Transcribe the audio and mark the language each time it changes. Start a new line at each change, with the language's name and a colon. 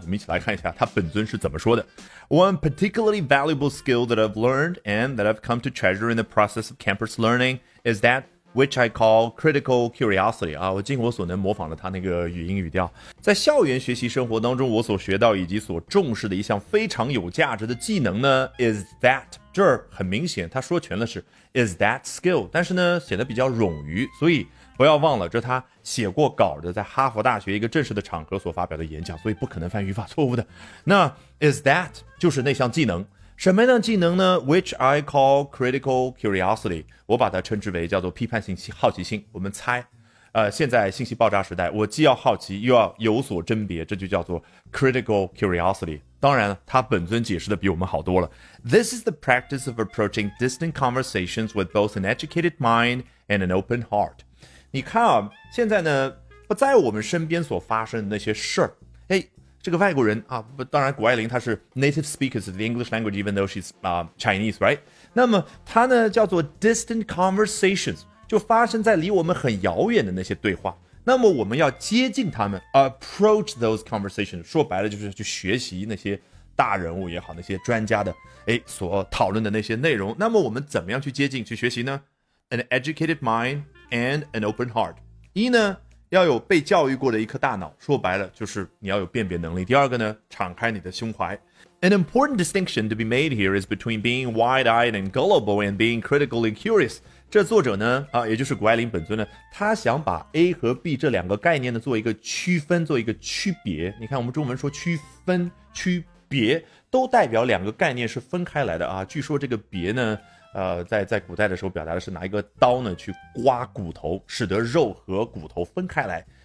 Chinese: 我们一起来看一下他本尊是怎么说的。
English: One particularly valuable skill that I've learned and that I've come to treasure in the process of campus learning is that which I call critical curiosity。
Chinese: 啊，我尽我所能模仿了他那个语音语调。在校园学习生活当中，我所学到以及所重视的一项非常有价值的技能呢
English: is that。
Chinese: 这儿很明显他说全了是
English: is that skill，
Chinese: 但是呢显得比较冗余，所以不要忘了这他写过稿的在哈佛大学一个正式的场合所发表的演讲，所以不可能犯语法错误的。那
English: is that
Chinese: 就是那项技能，什么样的技能呢？
English: which I call critical curiosity，
Chinese: 我把它称之为叫做批判性好奇心。我们猜现在信息爆炸时代，我既要好奇又要有所甄别，这就叫做 critical curiosity。当然他本尊解释的比我们好多了。
English: This is the practice of approaching distant conversations with both an educated mind and an open heart。
Chinese: 你看啊，现在呢不在我们身边所发生的那些事儿，哎，这个外国人啊，当然谷爱凌她是
English: native speakers of the English language even though she's Chinese, right?
Chinese: 那么她呢叫做 distant conversations， 就发生在离我们很遥远的那些对话。那么我们要接近他们
English: approach those conversations，
Chinese: 说白了就是去学习那些大人物也好，那些专家的所讨论的那些内容。那么我们怎么样去接近去学习呢？
English: An educated mind and an open heart。
Chinese: 一呢要有被教育过的一颗大脑，说白了就是你要有辨别能力。第二个呢，敞开你的胸怀。
English: An important distinction to be made here is between being wide-eyed and gullible and being critically curious。
Chinese: 这作者呢也就是谷爱凌本尊呢，他想把 A 和 B 这两个概念呢做一个区分，做一个区别。你看我们中文说区分区别都代表两个概念是分开来的啊。据说这个别呢在古代的时候表达的是拿一个刀呢去刮骨头，使得肉和骨头分开来。